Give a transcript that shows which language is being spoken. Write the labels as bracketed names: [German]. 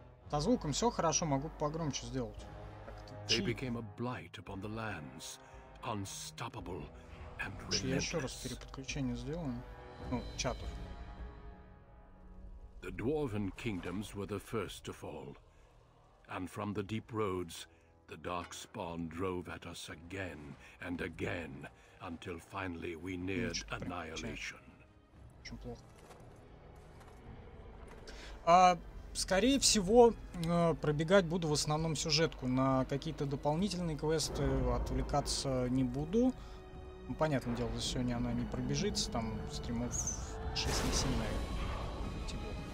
[Russian] Со звуком все хорошо, могу погромче сделать. Я еще раз переподключение сделаю. Ну, чатов. [English] The dwarven kingdoms were the first to fall, and from the deep roads, the darkspawn drove at us again and again, until finally we neared annihilation. [Russian] Очень плохо. Скорее всего, пробегать буду в основном сюжетку. На какие-то дополнительные квесты отвлекаться не буду. Ну, понятное дело, сегодня она не пробежится, там стримов 6-7, наверное.